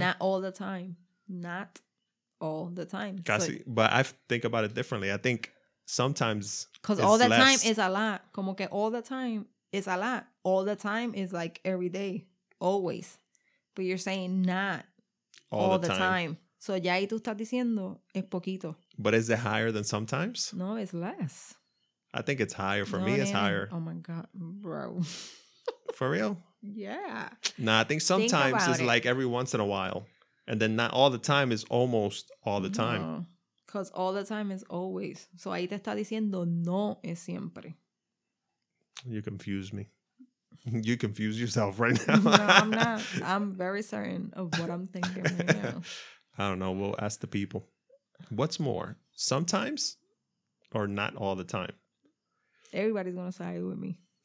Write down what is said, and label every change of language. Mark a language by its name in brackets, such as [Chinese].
[English] Not all the time. Not all the time. Casi, but I think about it differently. I think sometimes. Because all the time is a lot. [Spanish] Como que [English] all the time is a lot. All the time is like every day, always. But you're saying not all the time. [Spanish] So ya ahí tú estás diciendo es poquito. [English] But is it higher than sometimes? No, it's less. I think it's higher. For me, it's higher. Oh, my God, bro. For real? Yeah. Nah, I think sometimes it's like every once in a while. And then not all the time is almost all the time. Because all the time is always. [Spanish] So ahí te está diciendo no es siempre. [English] You confuse me. You confuse yourself right now. No, I'm not. I'm very certain of what I'm thinking right now. I don't know. We'll ask the people. What's more, sometimes or not all the time? Everybody's going to side with me.